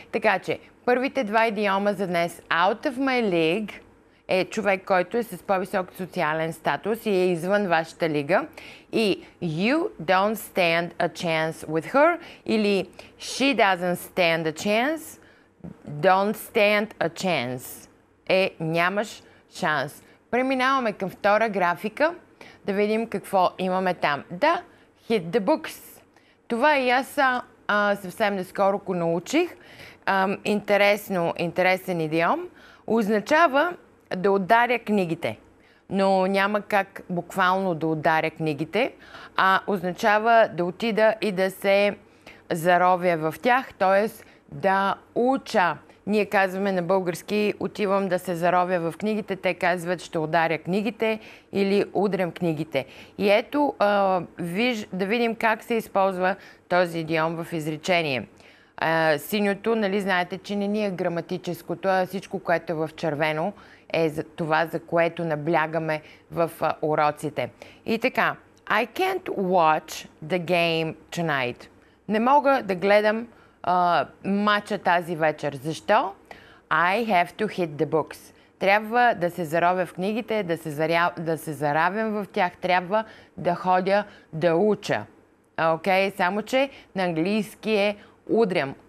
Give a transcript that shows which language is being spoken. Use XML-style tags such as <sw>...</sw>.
<bg>Така че, първите два идиома за днес.</bg> <en>Out of my league</en> <bg>е човек, който е с по-висок социален статус и е извън вашата лига.</bg> <en>И you don't stand a chance with her или she doesn't stand a chance. Don't stand a chance.</en> <bg>Е, нямаш шанс. Преминаваме към втора графика, да видим какво имаме там.</bg> <en>Да, hit the books.</en> <bg>Това и аз съвсем наскоро го научих. Интересен идиом. Означава да ударя книгите. Но няма как буквално да ударя книгите, а означава да отида и да се заровя в тях, т.е. да уча. Ние казваме на български, отивам да се заровя в книгите, те казват, ще ударя книгите или удрям книгите. И ето, да видим как се използва този идиом в изречение. Синьото, нали знаете, че не ни е граматическото, а всичко, което е в червено, е за това, за което наблягаме в уроците. И така,</bg> <en>I can't watch the game tonight.</en> <bg>Не мога да гледам мача тази вечер.</bg> <en>Защо? I have to hit the books.</en> <bg>Трябва да се заровя в книгите, да се заравям в тях. Трябва да ходя да уча. Окей? Само, че на английски е удрям.</bg>